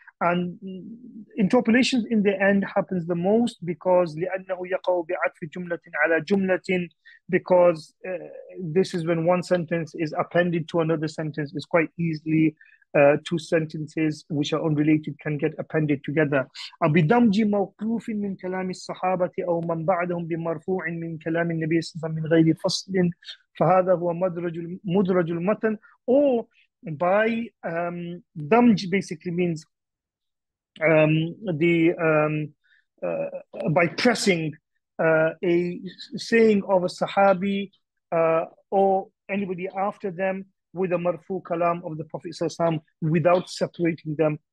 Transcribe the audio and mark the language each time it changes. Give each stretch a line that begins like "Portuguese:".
English: And interpolations in the end happens the most because
Arabic: لأنه يقع بعطف جملة على جملة,
English: because this is when one sentence is appended to another sentence. It's quite easily two sentences which are unrelated can get appended together.
Arabic: بدمج موقوف من كلام الصحابة أو من بعدهم بمرفوع من كلام النبي صلى الله عليه وسلم من غير فصل, فهذا هو مدرج المتن.
English: Or by دمج basically means by pressing a saying of a Sahabi or anybody after them with a marfu kalam of the Prophet Sallallahu Alaihi Wasallam without separating them.